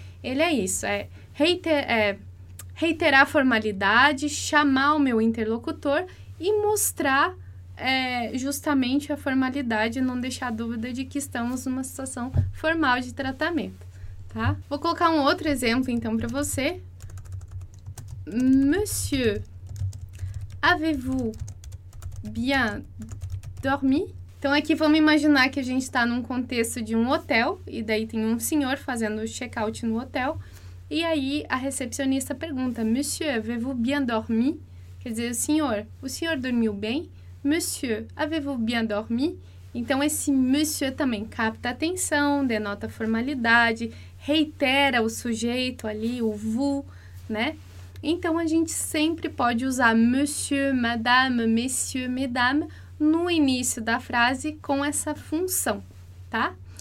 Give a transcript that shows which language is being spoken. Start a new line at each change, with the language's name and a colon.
Portuguese: Ele é isso, reiterar a formalidade, chamar o meu interlocutor e mostrar justamente a formalidade, não deixar dúvida de que estamos numa situação formal de tratamento, tá? Vou colocar um outro exemplo, então, para você.
French: Monsieur, avez-vous bien dormi?
Portuguese: Então, aqui vamos imaginar que a gente está num contexto de um hotel e daí tem um senhor fazendo o check-out no hotel e aí a recepcionista pergunta,
French: Monsieur, avez-vous bien dormi?
Portuguese: Quer dizer, o senhor dormiu bem?
French: Monsieur, avez-vous bien dormi?
Portuguese: Então, esse monsieur também capta atenção, denota formalidade, reitera o sujeito ali, o vous, né? Então, a gente sempre pode usar monsieur, madame, messieurs, mesdames, no início da frase com essa função, tá?